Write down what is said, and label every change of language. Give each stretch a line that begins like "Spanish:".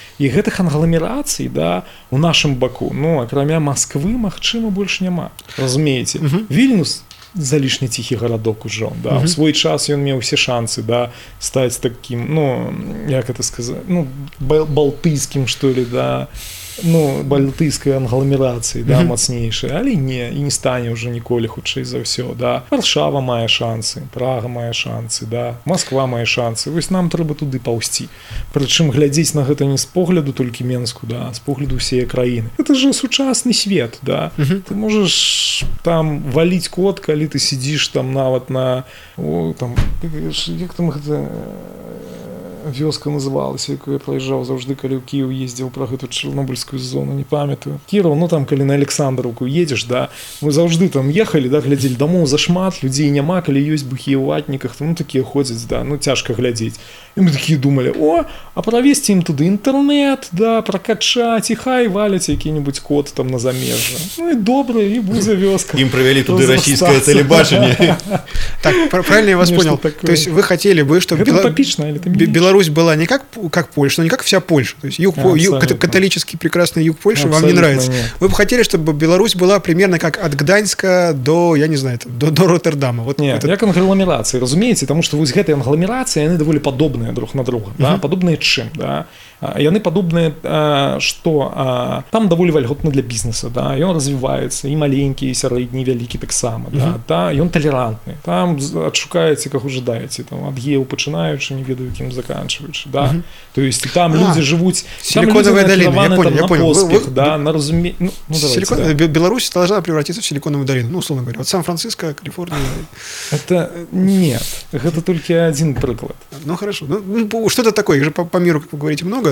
Belarusian: І гэтых англамерацый, да, у нашым баку, ну, акрамя Москвы, магчыма, больш няма. Разумееце? Вільнюс залішне ціхі гарадок ужо, да. У свой час ён меў усе шанцы, да, стаць такім, ну, як это сказаць, ну, балтыйскім, што ли, да, ну, балтыйскай англамерацыі, да, мацнейшай, але не, і не стане ўжо ніколі хутчэй за ўсё, да. Варшава мае шанцы, Прага мае шанцы, да, Москва мае шанцы, вось нам трэба туды паўсці. Прычым глядзець на гэта не з погляду толькі Менску, да, з погляду ўсея краіны. Гэта ж сучасны свет, да. Ты можаш там валіць кот, калі ты сидзіш там нават на, о, там, як там гэта вёска называлася, якую я проезжаў заўжды, калі ў Кіеў ездзіў, пра гэту Чарнобыльскую зону, не памятаю. Кіраў, ну там, калі на Александровку едзеш, да, мы заўжды там ехалі, да, глядзелі, дамоў зашмат, людзей няма, калі ёсць бухі ў ватніках, ну такія ходзяць, да, ну цяжка глядзець. І мы такія думалі, о, а правесці ім туды інтэрнэт, да, пракачаць, і хай валяць які-небудзь код там на замежжа. Ну і добра, і будзе вёска. Ім прывялі туды расійскае тэлебачанне.
Russian: Так, правильно я вас понял. То есть вы хотели бы, чтобы Беларусь была не как Польша, но не как вся Польша. То есть юг, католический прекрасный юг Польши вам не нравится. Нет. Вы бы хотели, чтобы Беларусь была примерно как от Гданьска до, я не знаю, там, до Роттердама. Вот нет, этот... как англомерация, разумеете, потому что вот эти англомерации, они довольно подобные друг на друга. Да? Подобные чем, да?
Belarusian: Яны падобныя, што там даволі вальготна для бізнеса, да, ён развіваецца, і маленькі, і сярэдні, і вялікі таксама, да, та, ён талерантны, там адшукаеце, каго жадаеце, там, ад геў пачынаючы, не ведаю, кім заканчваючы, да,
Russian: то есть
Belarusian: там людзі жывуць, там людзі накіраваны там на поспех, да, на разумець,
Russian: ну, давайте, силикон... да. Беларусь должна превратиться в силиконовую долину, ну, условно говоря, вот Сан-Франциско, Калифорния. Это, нет,
Belarusian: гэта толькі адзін прыклад.
Russian: Ну, хорошо, ну, што-то такое, же па міру, как вы говорите, много.